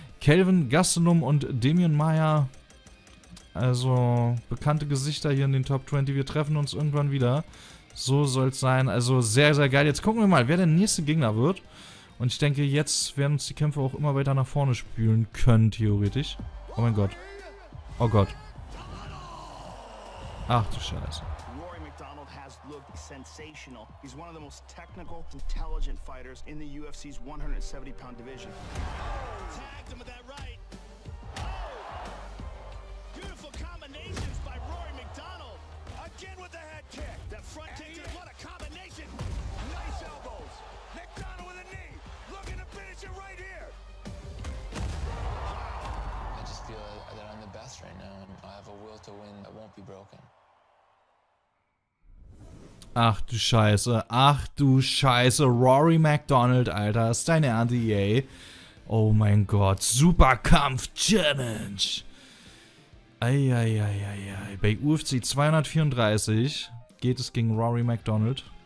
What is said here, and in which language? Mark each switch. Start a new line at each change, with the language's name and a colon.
German: Kelvin Gastelum und Damian Meyer. Also bekannte Gesichter hier in den Top 20. Wir treffen uns irgendwann wieder. So soll es sein. Also sehr, sehr geil. Jetzt gucken wir mal, wer der nächste Gegner wird. Und ich denke, jetzt werden uns die Kämpfe auch immer weiter nach vorne spülen können, theoretisch. Oh mein Gott. Oh Gott. Ach du Scheiße.
English: Rory McDonald has looked sensational. He's one of the most technical, intelligent fighters in the UFC's 170-pound division. Tagged him with that right. Beautiful combinations by Rory McDonald. Again with the head kick. That front kick, just what a combination. Nice elbows. McDonald with a knee. Looking to finish it right here. I just feel that I'm the best right now. And I have a will to win that won't be broken.
German: Ach du Scheiße, ach du Scheiße, Rory McDonald, Alter, ist deine NDA? Oh mein Gott, Superkampf-Challenge. Eieieiei, bei UFC 234 geht es gegen Rory McDonald.